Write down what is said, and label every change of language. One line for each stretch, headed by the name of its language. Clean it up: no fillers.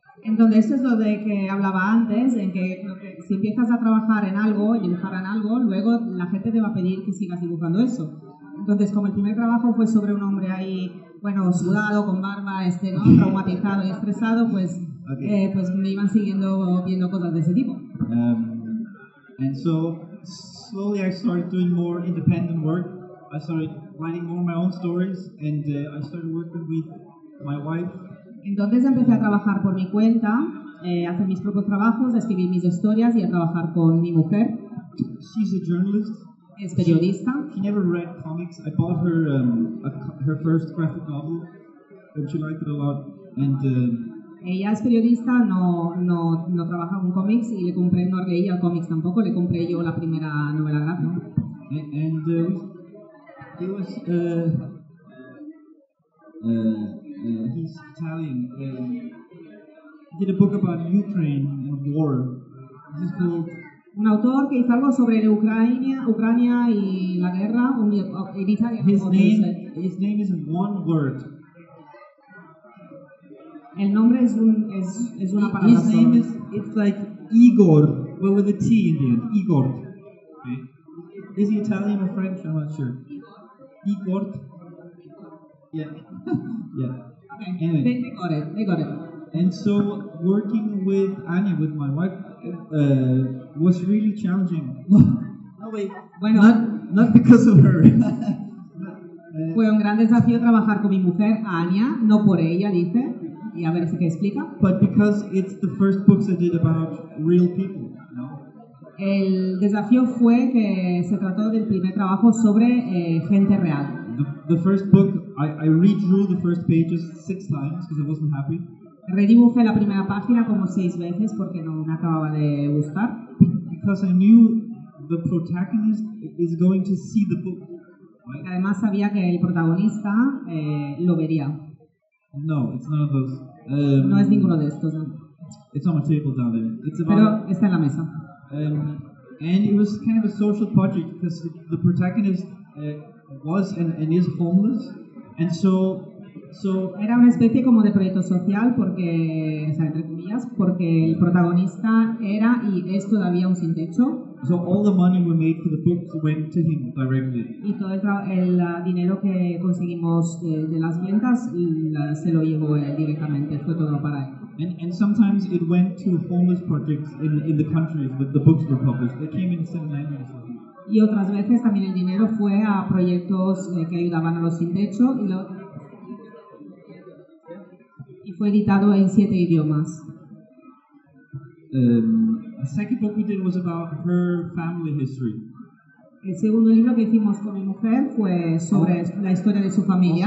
Spanish: Entonces eso es lo de que hablaba antes, en que si empiezas a trabajar en algo, dibujar en algo, luego la gente te va a pedir que sigas dibujando eso. Entonces como el primer trabajo fue sobre un hombre ahí, bueno, sudado, con barba, ¿no? Traumatizado y estresado, pues, okay. Pues me iban siguiendo viendo cosas de ese tipo.
English: And so slowly I started doing more independent work. I started writing more of my own stories and I started working with my wife.
Spanish: Entonces empecé a trabajar por mi cuenta, hacer mis propios trabajos, escribir mis historias y a trabajar con mi mujer.
English: She's a journalist.
Spanish: Es periodista.
English: She never read comics. I bought her her first graphic novel, and she liked it a lot. And
Spanish: ella es periodista, no trabaja con cómics y le compré, no leí el cómics tampoco, le compré yo la primera novela gráfica.
English: And it was he's Italian. He did a book about Ukraine and war. This is called.
Spanish: Un autor que hizo algo sobre Ucrania y la guerra.
English: His name is one word.
Spanish: El nombre es una palabra.
English: His name is it's like Igor, but with a T in the end. Igor. Okay. Is he Italian or French? I'm not sure. Igor. Yeah. Okay. Anyway. They got it. And so working with Anya, with my wife, was really challenging. No wait. Bueno, not because of her.
Spanish: Fue un gran desafío trabajar con mi mujer Anya, no por ella, dice, y a ver si que explica.
English: But because it's the first books I did about real people.
Spanish: No. El desafío fue que se trató del primer trabajo sobre gente real.
English: The first book, I redrew the first pages 6 times because I wasn't happy.
Spanish: Redibujé la primera página como 6 veces porque no me acababa de gustar.
English: Because I knew the protagonist is going to see the book. Right?
Spanish: Además sabía que el protagonista lo vería.
English: No, it's none of those.
Spanish: No es ninguno de estos. No.
English: It's on my table down there. It's about,
Spanish: pero está en la mesa.
English: And it was kind of a social project because the protagonist was and is homeless, and so
Spanish: So, era una especie como de proyecto social porque, o sea, entre comillas, porque el protagonista era y es todavía un sin techo.
English: So all the money we made for the books went to him directly.
Spanish: Y todo el dinero que conseguimos de las ventas se lo llevó él directamente, fue todo para él.
English: And sometimes it went to homeless projects in the countries where the books were published. It came in some languages.
Spanish: Y otras veces también el dinero fue a proyectos que ayudaban a los sin techo y fue editado en 7 idiomas.
English: The second book we did was about her family history.
Spanish: El segundo libro que hicimos con mi mujer fue sobre la historia de su familia.